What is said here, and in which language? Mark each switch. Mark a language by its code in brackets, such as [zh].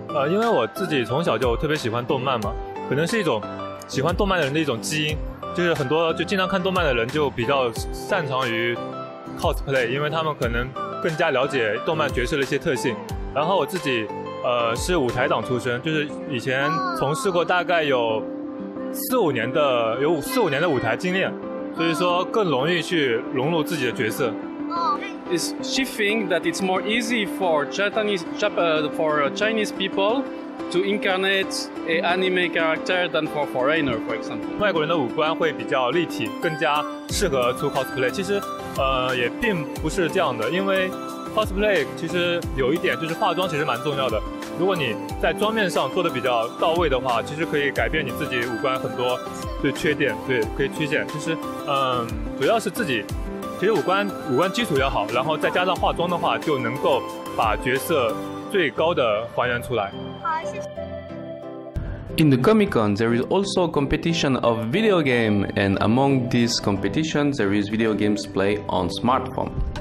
[zh] 因为我自己从小就特别喜欢动漫嘛。可能是一种喜欢动漫的人的一种基因，就是很多就经常看动漫的人就比较擅长于 cosplay， 因为他们可能更加了解动漫角色的一些特性。然后我自己是舞台党出身，就是以前从事过大概有四五年的舞台经验，所以说更容易去融入自己的角色。 [en] She think that it's more easy for Chinese people to incarnate an anime character than for foreigner, for example. [zh] 外国人的五官会比较立体，更加适合出 cosplay。其实，也并不是这样的，因为 cosplay 其实有一点就是化妆其实蛮重要的。如果你在妆面上做的比较到位的话，其实可以改变你自己五官很多，对缺点，对可以缺陷。其实，主要是自己，其实五官基础要好，然后再加上化妆的话，就能够把角色最高的还原出来。 [en] In the Comic-Con, there is also a competition of video game, and among these competitions, there is video games play on smartphone.